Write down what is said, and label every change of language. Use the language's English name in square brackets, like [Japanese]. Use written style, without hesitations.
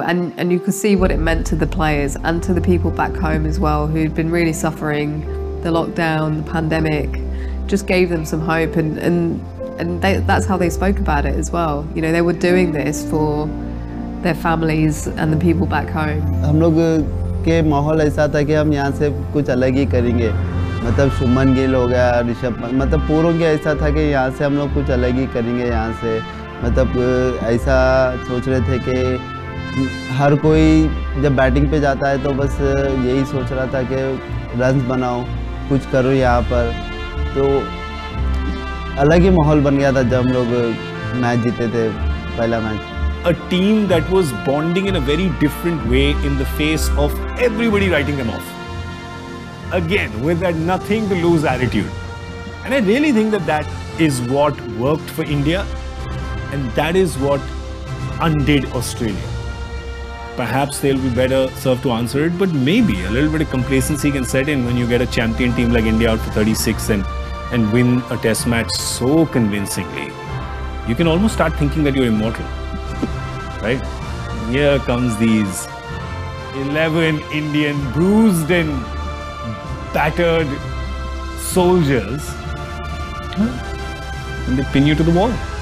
[English] And you could see what it meant to the players and to the people back home as well, who'd been really suffering. The lockdown, the pandemic, just gave them some hope, and that's how they spoke about it as well. You know, they were doing this for their families and the people back home. [Hindi] हम लोग के माहौल ऐसा था कि हम यहाँ से कुछ अलग ही करेंगे. मतलब शुभमन गिल हो गया, ऋषभ, मतलब पूरों के ऐसा था कि यहाँ से हम लोग कुछ अलग ही करेंगे. यहाँ से मतलब ऐसा सोच रहे थे कि हर कोई जब बैटिंग पे जाता है तो बस यही सोच रहा था कि रन्स बनाओ, कुछ करो यहाँ पर. तो अलग ही माहौल बन गया था जब हम लोग मैच जीते थे पहला match. [English] A team that was bonding in a very different way in the face of everybody writing them off again with that nothing to lose attitude. And I really think that that is what worked for India and that is what undid Australia. Perhaps they'll be better served to answer it, but maybe a little bit of complacency can set in when you get a champion team like India out for 36 and win a test match so convincingly. You can almost start thinking that you're immortal, right? Here comes these 11 Indian bruised and battered soldiers, and they pin you to the wall.